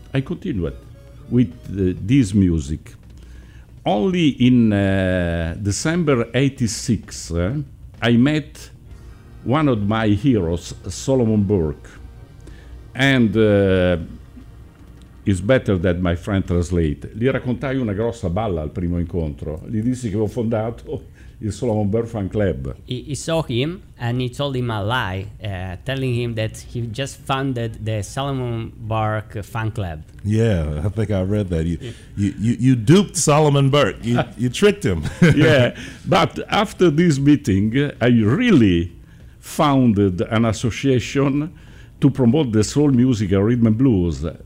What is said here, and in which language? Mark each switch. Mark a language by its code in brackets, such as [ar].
[en] I continued with this music. Only in December 86, I met one of my heroes, Solomon Burke, and it's better that my friend translate. [it] Gli raccontai una grossa balla al primo incontro. Gli dissi che avevo fondato il Solomon Burke Fan Club. [en] He saw him and he told him a lie, telling him that he just founded the Solomon Burke Fan Club. Yeah, I think I read that. You duped Solomon Burke. You tricked him. Yeah, but after this meeting, I really founded an association to promote the soul music and rhythm and blues.